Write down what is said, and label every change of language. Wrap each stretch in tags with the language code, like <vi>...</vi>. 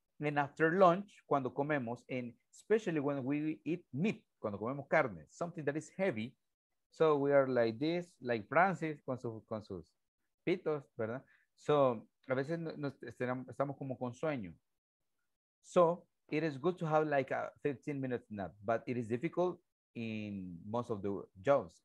<en>And after lunch,</en> <es>cuando comemos,</es> <en>and especially when we eat meat,</en> <es>cuando comemos carne,</es> <en>something that is heavy, So we are like this, like Francis,</en> <es>con sus pitos, ¿verdad? So, a veces nos, estamos como con sueño.</es> <en>So, it is good to have like a 15 minutes nap, but it is difficult in most of the jobs.</en>